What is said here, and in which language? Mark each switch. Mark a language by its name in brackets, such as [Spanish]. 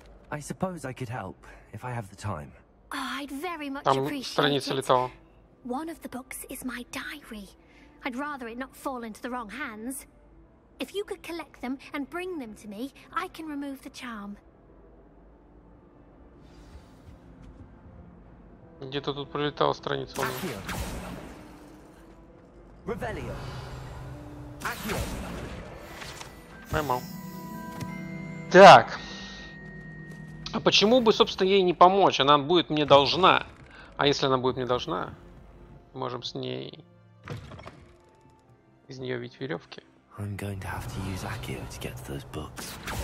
[English] I suppose I could help, if I have the time. Oh, I'd very much appreciate it. One of the books is my diary. I'd rather it not fall into the wrong hands. If you could collect them and bring them to me, I can remove the charm. [Russian] Где-то тут пролетала страница. Акио. Ревелио. Акио. Поймал. Так. А почему бы, собственно, ей не помочь? Она будет мне должна. А если она будет мне должна, можем с ней... из нее вить веревки. [English] I'm going to have to use Akio to get to those books.